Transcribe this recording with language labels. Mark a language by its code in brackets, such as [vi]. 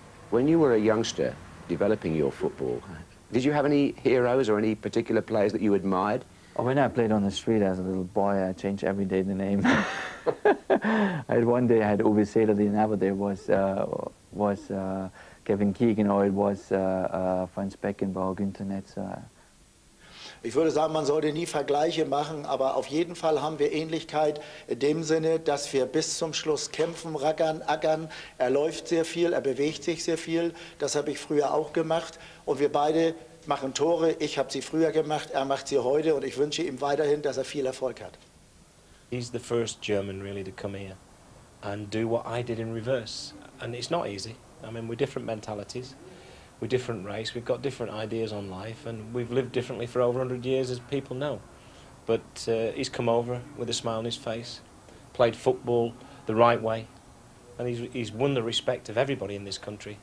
[en] When you were a youngster developing your football, did you have any heroes or any particular players that you admired? Oh, when I played on the street as a little boy, I changed every day the name. I had one day I had Uwe Seelerlin, but there was Kevin Keegan, or it was Franz Beckenbauer, Günter Netzer. [de] Ich würde sagen, man sollte nie Vergleiche machen, aber auf jeden Fall haben wir Ähnlichkeit in dem Sinne, dass wir bis zum Schluss kämpfen, rackern, ackern. Er läuft sehr viel, er bewegt sich sehr viel. Das habe ich früher auch gemacht. Und wir beide machen Tore. Ich habe sie früher gemacht, er macht sie heute. Und ich wünsche ihm weiterhin, dass er viel Erfolg hat. [en] He's the first German really to come here and do what I did in reverse. And it's not easy. I mean, we're different mentalities. We're different race, we've got different ideas on life, and we've lived differently for over 100 years, as people know. But he's come over with a smile on his face, played football the right way, and he's won the respect of everybody in this country.